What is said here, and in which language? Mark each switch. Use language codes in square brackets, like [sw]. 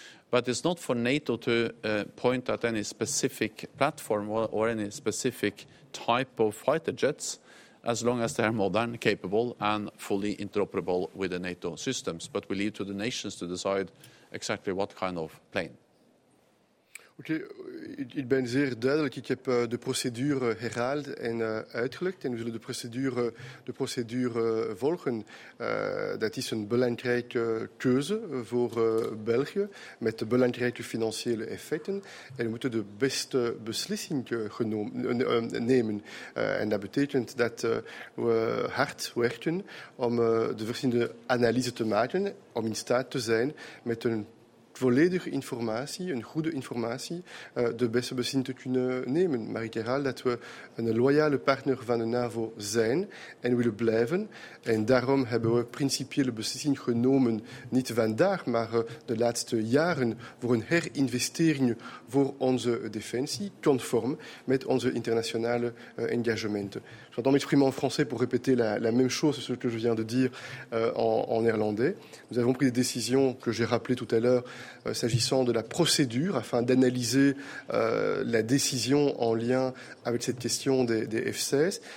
[en] But it's not for NATO to point at any specific platform or any specific type of fighter jets, as long as they are modern, capable, and fully interoperable with the NATO systems. But we leave to the nations to decide exactly what kind of plane. [nl] Oké, ik ben zeer duidelijk. Ik heb de procedure herhaald en uitgelegd. En we zullen de procedure volgen. Dat is een belangrijke keuze voor België, met belangrijke financiële effecten. En we moeten de beste beslissing nemen. En dat betekent dat we hard werken om de verschillende analyse te maken, om in staat te zijn met een volledige informatie, een goede informatie, de beste beslissing te kunnen nemen. Maar ik herhaal dat we een loyale partner van de NAVO zijn en willen blijven. En daarom hebben we principiële beslissing genomen, niet vandaag, maar de laatste jaren, voor een herinvestering voor onze defensie, conform met onze internationale engagementen. [fr] J'entends m'exprimer en français pour répéter la même chose que ce que je viens de dire en néerlandais. Nous avons pris des décisions que j'ai rappelées tout à l'heure s'agissant de la procédure afin d'analyser la décision en lien avec cette question des F-16.